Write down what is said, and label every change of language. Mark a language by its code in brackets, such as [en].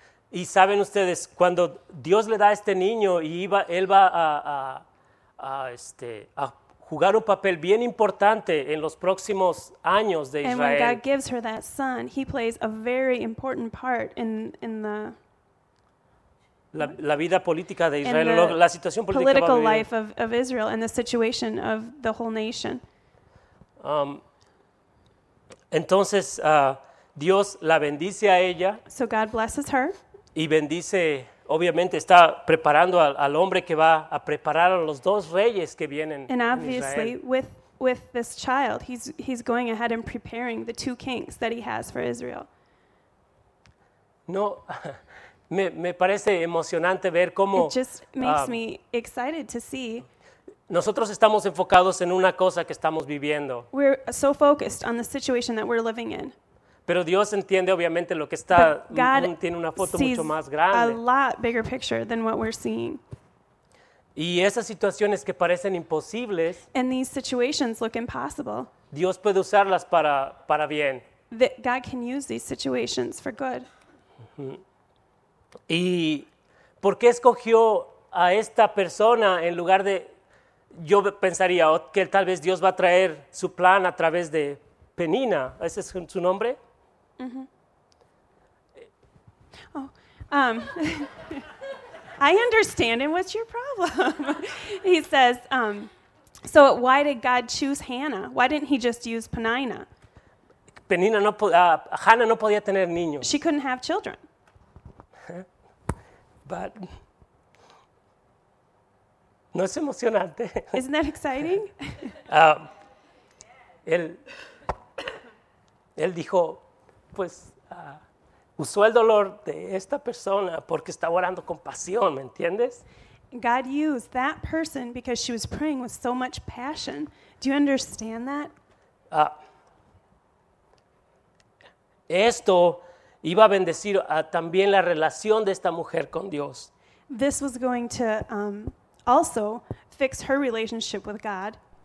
[es] y saben ustedes, cuando Dios le da a este niño y él va a jugar un papel bien importante en los próximos años de Israel. [en] And when God gives her that son, he plays a very important part in the... [es] La vida política de Israel, la situación política [en] political life of Israel and the situation of the whole nation. [es] Entonces, Dios la bendice a ella. [en] So God blesses her. [es] Y bendice, obviamente, está preparando al hombre que va a preparar a los dos reyes que vienen en Israel. [en] And obviously, with this child, he's going ahead and preparing the two kings that he has for Israel. [es] No... Me parece emocionante ver cómo... [en] It just makes me excited to see... [es] Nosotros estamos enfocados en una cosa que estamos viviendo. [en] We're so focused on the situation that we're living in. [es] Pero Dios entiende obviamente lo que está... [en] God [es] tiene una foto mucho más grande. [en] A lot bigger picture than what we're seeing. [es] Y esas situaciones que parecen imposibles... [en] And these situations look impossible. [es] Dios puede usarlas para bien. [en] God can use these situations for good. [es] ¿Y por qué escogió a esta persona en lugar de, yo pensaría que tal vez Dios va a traer su plan a través de Penina? ¿Ese es su nombre? Mm-hmm. [en] I understand, and what's your problem? He says, so why did God choose Hannah? Why didn't he just use Penina? [es] Penina no, Hannah no podía tener niños. [en] She couldn't have children. [es] But, ¿no es emocionante? [en] Isn't that exciting? [es] Él dijo, pues, usó el dolor de esta persona porque estaba orando con pasión, ¿me entiendes? [en] God used that person because she was praying with so much passion. Do you understand that? [es] Esto... iba a bendecir también la relación de esta mujer con Dios. [en] This was going to also fix her relationship with God.